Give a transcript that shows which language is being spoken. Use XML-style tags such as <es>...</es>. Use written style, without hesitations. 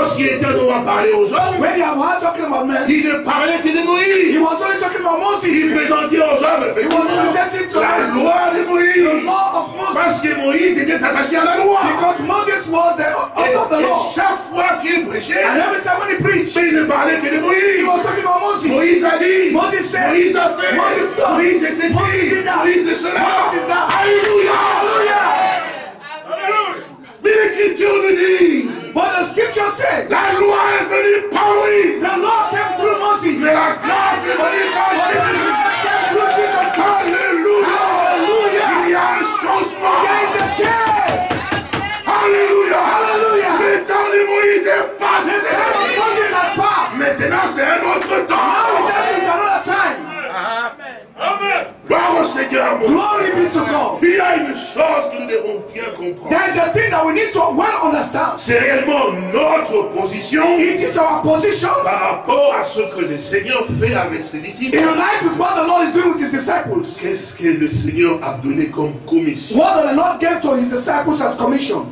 <fr>Lorsqu'il était en train de parler aux hommes.</fr> <en>When he was talking about men.</en> <fr>Il ne parlait que de Moïse.</fr> <en>He was only talking about Moses.</en> <fr>Il présentait aux hommes.</fr> <en>He was presenting to</en> <fr>la</fr> <en>them.</en> <fr>La loi de Moïse.</fr> <en>The law of Moses.</en> <fr>Parce que Moïse était attaché à la loi.</fr> <en>Because Moses was the author of the law.</en> <fr>Chaque fois qu'il prêchait.</fr> <en>And every time when he preached.</en> <fr>Il ne parlait que de Moïse.</fr> <en>He was talking about Moses.</en> <fr>Moïse a dit.</fr> <en>Moses said.</en> <fr>Moïse a fait.</fr> <en>Moses done.</en> <fr>Moïse est ceci.</fr> <en>Moses did that.</en> <fr>Moïse est cela.</fr> <en>Moses is that. Alléluia. Alléluia.</en> <fr>Mais l'écriture me dit,</fr> <en>what the scripture said,</en> <fr>la loi est venue par lui.</fr> <en>The law came through Moses.</en> <fr>Mais la grâce est venue par Jésus.</fr> <en>The grace came through Jesus Christ. Alléluia. Alléluia.</en> <fr>Il y a un changement.</fr> <en>There is a change. Alléluia. Alléluia.</en> <fr>Le temps de Moïse est passé.</fr> <en>The time of Moses has passed.</en> <fr>Maintenant c'est un autre temps.</fr> <en>Now it's another time. Amen.</en> <fr>Amen. Gloire au Seigneur.</fr> <en>Glory be to God.</en> <fr>Il y a une chose que nous devons bien comprendre.</fr> <en>There is a thing that we need to well understand.</en> <fr>C'est réellement notre position.</fr> <en>It is our position.</en> <fr>Par rapport à ce que le Seigneur fait avec ses disciples.</fr> <en>In line with what the Lord is doing with his disciples.</en> <fr>Qu'est-ce que le Seigneur a donné comme commission?</fr> <en>What did the Lord give to his disciples as commission?</en>